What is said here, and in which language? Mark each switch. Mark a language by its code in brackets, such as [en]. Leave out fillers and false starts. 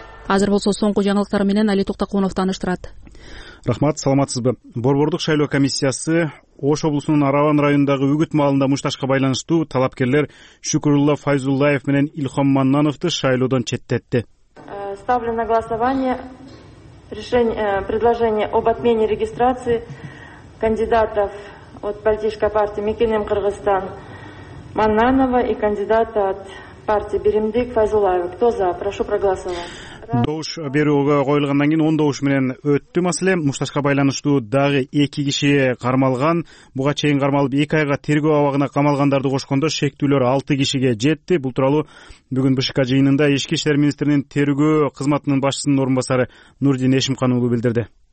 [ky] Азыр болсо соңку жаңылыктар менен Али Токтокунов тааныштырат. Рахмат, саламатсызбы. Борбордук шайлоо комиссиясы Ош облусунун Араван районундагы Үгүт маалында мушташка байланыштуу талапкерлер Шүкүрулла Файзуллаев менен Илхом Маннановду шайлоодон четтетти. [ru] Ставлю на голосование предложение об отмене регистрации кандидатов от политической партии Мекеним Кыргызстан Маннанова и кандидата от партии Биримдик Файзуллаева. Кто за? Прошу проголосовать. [ky] Добуш берүүгө коюлгандан кийин 10 добуш менен өттү маселе. Мушташка байланыштуу дагы 2 киши кармалган. Буга чейин кармалып 2 айга тергөө абагына камалгандарды кошкондо шектүүлөр 6 кишиге жетти. Бул тууралуу бүгүн БШК жыйынында Ички иштер министринин тергөө кызматынын башчысынын орун басары Нурдин Эшимкан уулу билдирди.